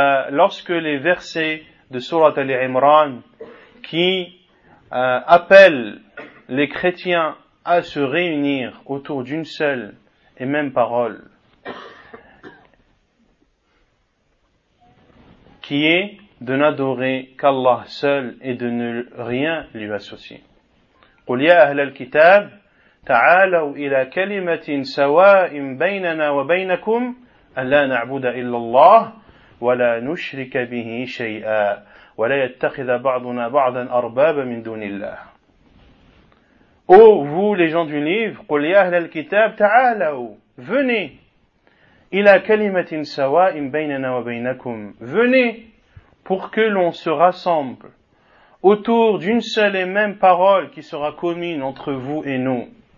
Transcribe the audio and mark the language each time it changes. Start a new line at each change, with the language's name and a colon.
French: lorsque les versets de Surat al-Imran qui appellent les chrétiens à se réunir autour d'une seule et même parole, qui est de n'adorer qu'Allah seul et de ne rien lui associer.
Arabic: قل يا أهل الكتاب تعالوا إلى كلمة سواء بيننا وبينكم ألا نعبد إلا الله ولا نشرك به شيئا ولا يتخذ بعضنا بعضا أربابا من دون الله.
French: أو vous les gens du livre,
Arabic: قل يا أهل الكتاب تعالوا,
French: venez
Arabic: إلى كلمة سواء بيننا وبينكم,
French: venez pour que l'on se rassemble autour d'une seule et même parole qui sera commune entre vous et nous.